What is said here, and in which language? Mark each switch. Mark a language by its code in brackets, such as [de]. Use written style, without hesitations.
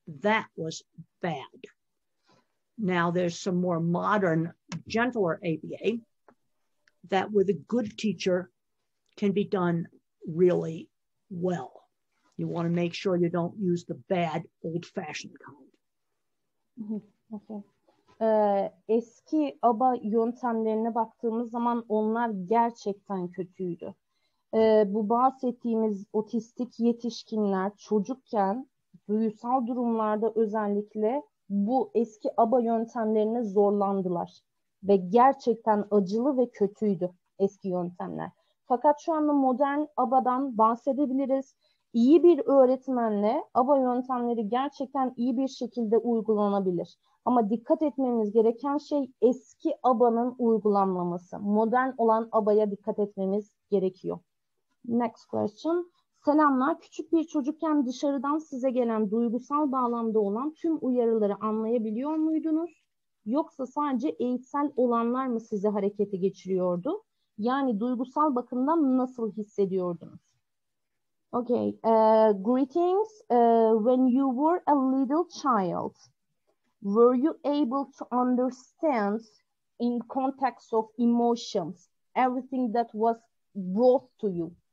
[en] That was bad. Now there's some more modern, gentler ABA that with a good teacher can be done really well. You want to make sure you don't use the bad old-fashioned kind. Okay. [tr] Eski ABA yöntemlerine baktığımız zaman onlar gerçekten kötüydü. Bu bahsettiğimiz otistik yetişkinler çocukken duygusal durumlarda özellikle bu eski ABA yöntemlerine zorlandılar ve gerçekten acılı ve kötüydü eski yöntemler. Fakat şu anda modern ABA'dan bahsedebiliriz. İyi bir öğretmenle ABA yöntemleri gerçekten iyi bir şekilde uygulanabilir. Ama dikkat etmemiz gereken şey eski ABA'nın uygulanmaması. Modern olan ABA'ya dikkat etmemiz gerekiyor. [en] Next question. [tr] Selamlar. Küçük bir çocukken dışarıdan size gelen duygusal bağlamda olan tüm uyarıları anlayabiliyor muydunuz? Yoksa sadece eğitsel olanlar mı sizi harekete geçiriyordu? Yani duygusal bakımdan nasıl hissediyordunuz? [en] Okay, greetings when you were a little child. Were you able to understand in context of emotions everything that was brought to you?